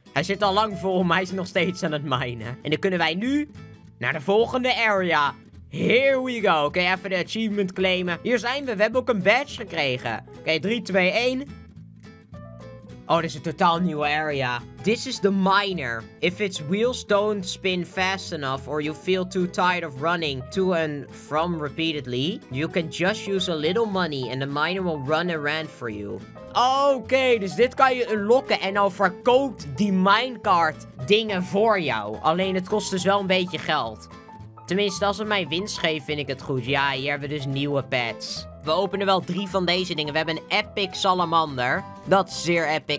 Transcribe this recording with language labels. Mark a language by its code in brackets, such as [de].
[nl] Hij zit al lang vol, maar hij is nog steeds aan het minen. En dan kunnen wij nu naar de volgende area. [en] Here we go. [nl] Oké, even de achievement claimen. Hier zijn we. We hebben ook een badge gekregen. Oké, 3, 2, 1. Oh, dit is een totaal nieuwe area. [en] This is the miner. If its wheels don't spin fast enough or you feel too tired of running to and from repeatedly, you can just use a little money and the miner will run around for you. [nl] Oké, dus dit kan je unlocken en nou verkoopt die minecart dingen voor jou. Alleen het kost dus wel een beetje geld. Tenminste, als het mij winst geeft, vind ik het goed. Ja, hier hebben we dus nieuwe pets. We openen wel 3 van deze dingen. We hebben een epic salamander. Dat is zeer epic.